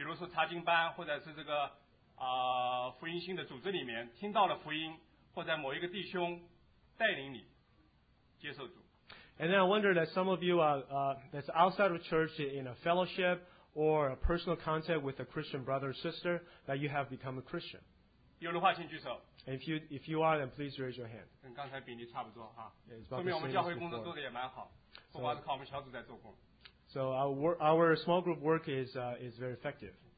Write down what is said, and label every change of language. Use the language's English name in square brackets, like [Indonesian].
[Chinese] 然后我们中间又有多少人是在这个教会的外围团体，比如说查经班，或者是这个。福音新的组织里面听到了福音，或在某一个弟兄带领你接受主。 [English] And then I wonder that some of you are that's outside of church in a fellowship or a personal contact with a Christian brother or sister that you have become a Christian. [Chinese] 有的话请举手。 [English] If you are, then please raise your hand. [Chinese] 跟刚才比例差不多哈。说明我们教会工作做得也蛮好，不光是靠我们小组在做工。 [English] So our small group work is very effective.